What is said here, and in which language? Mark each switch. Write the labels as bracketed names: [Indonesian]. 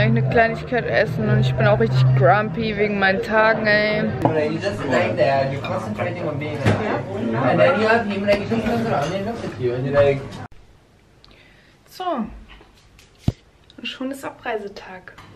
[German] Kleinigkeit essen und ich bin auch richtig grumpy wegen meinen Tagen, ey. [English] You just lay there, you're concentrating on being there. And then you have him, like, he turns around and looks at you and you're like... [German] So. Und schon ist Abreisetag.